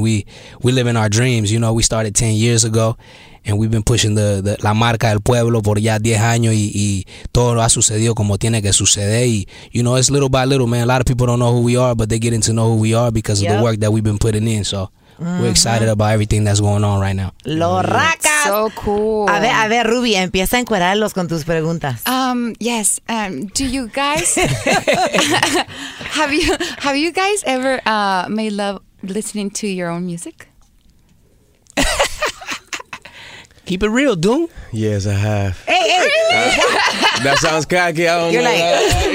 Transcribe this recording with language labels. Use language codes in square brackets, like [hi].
[en] We live in our dreams, you know. We started 10 years ago. And we've been pushing the La Marca del Pueblo for [es] ya 10 años y todo ha sucedido como tiene que suceder. [en] Y, you know, it's little by little, man. A lot of people don't know who we are, but they're getting to know who we are because of the work that we've been putting in. So we're excited about everything that's going on right now. ¡Loracas! So cool. [es] A ver, Ruby, empieza a encuadrarlos con tus preguntas. [en] Yes. Do you guys... have you guys ever made love listening to your own music? Keep it real, Doom. Yes, I have. Hey, that sounds cocky. I don't You're know. Like,